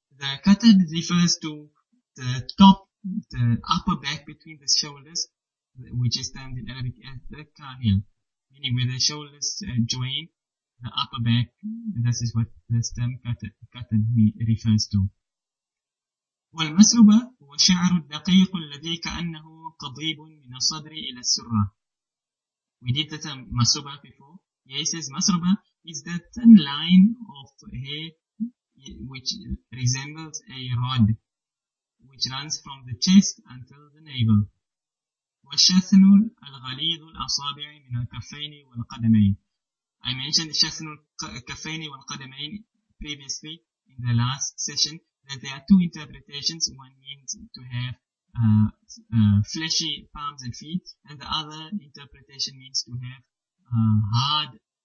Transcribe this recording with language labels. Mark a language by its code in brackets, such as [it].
[en] The katad refers to the top, the upper back between the shoulders, which is termed in Arabic as the kahil, meaning where the shoulders join the upper back. This is what this term, katad, refers to. [ar] والمسربة هو شعر الدقيق الذي كأنه قضيب من الصدر إلى السرة. [en] We did the term مسربة before. Yeah, he says مسربة is the thin line of hair which resembles a rod, which runs from the chest until the navel. [ar] والشثن الغليظ الأصابع من الكفين والقدمين. [en] I mentioned [ar] الشثن الكفين والقدمين [en] previously in the last session. That there are two interpretations. One means to have fleshy palms and feet, and the other interpretation means to have hard